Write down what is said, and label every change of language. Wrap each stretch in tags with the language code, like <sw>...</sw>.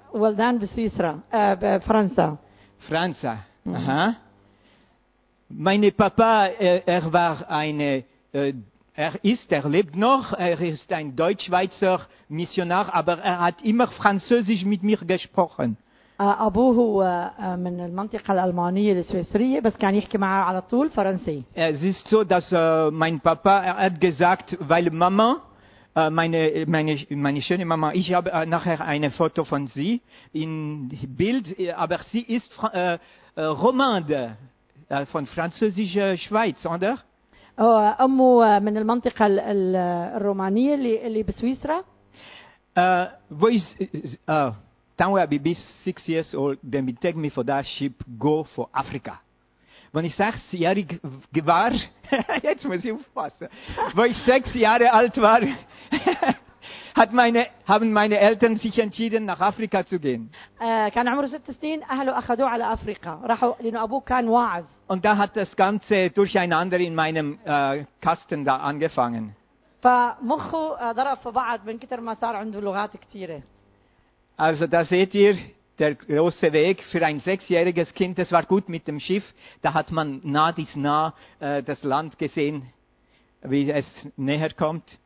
<ar>ولدان بسويسرا بفرنسا. فرنسا. Aha.</ar> <de>Meine Papa, er war eine, er lebt noch, er ist ein deutsch-schweizer Missionar, aber er hat immer Französisch mit mir gesprochen.</de> <ar>أبوه هو من المنطقة الألمانية السويسرية بس كان يحكي معه على طول فرنسي.</ar> <de>Es ist so, dass mein Papa, er hat gesagt, weil Mama, meine schöne Mama, ich habe nachher ein Foto von sie in Bild, aber sie ist Romande, von französischer Schweiz, oder?</de> <ar>Amu من المنطقة الرومانية اللي بسويسرا.</ar> <en>Then when I was 6 years old, they would take me for that ship go for Africa.</en> <de>Wenn ich 6 Jahre war, jetzt muss ich aufpassen, wo ich 6 Jahre alt war, haben meine Eltern sich entschieden, nach Afrika zu gehen.</de> <ar>كان عمره 6 سنين أهله أخذوا على أفريقيا راحوا لأنه أبوه كان واعز.</ar> <de>Und da hat das Ganze durcheinander in meinem Kasten da angefangen.</de> <ar>فمخه ضرب في بعض من كتر ما صار عنده لغات كثيرة.</ar> <de>Also da seht ihr. Der große Weg für ein 6-jähriges Kind, das war gut mit dem Schiff. Da hat man nah bis nah das Land gesehen, wie es näher kommt.</de>